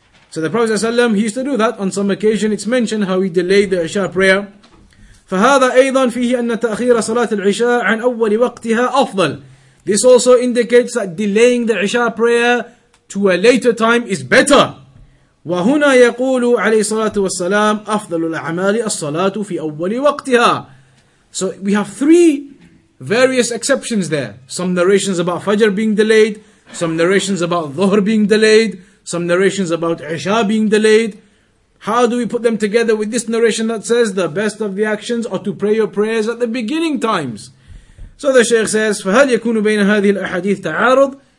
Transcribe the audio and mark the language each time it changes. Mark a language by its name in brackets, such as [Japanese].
[English] So the Prophet ﷺ, he used to do that on some occasion. It's mentioned how he delayed the Isha prayer. [Arabic] فَهَذَا أَيْضًا فِيهِ أَنَّ تَأْخِيرَ صَلَاةِ الْعِشَاءَ عَنْ أَوَّلِ وَقْتِهَا أَفْضَلٌ. [English] This also indicates that delaying the Isha prayer to a later time is better. [Arabic] وهنا يقول عليه الصلاة والسلام أفضل الأعمال الصلاة في أول وقتها. [English] So we have three various exceptions there. Some narrations about Fajr being delayed, some narrations about Dhuhr being delayed, some narrations about Isha being delayed. How do we put them together with this narration that says the best of the actions are to pray your prayers at the beginning times? So the Shaykh says, [Arabic] فَهَلْ يَكُونُ بَيْنَ هَذِهِ الْأَحَدِيثِ تَعَارُضٍ.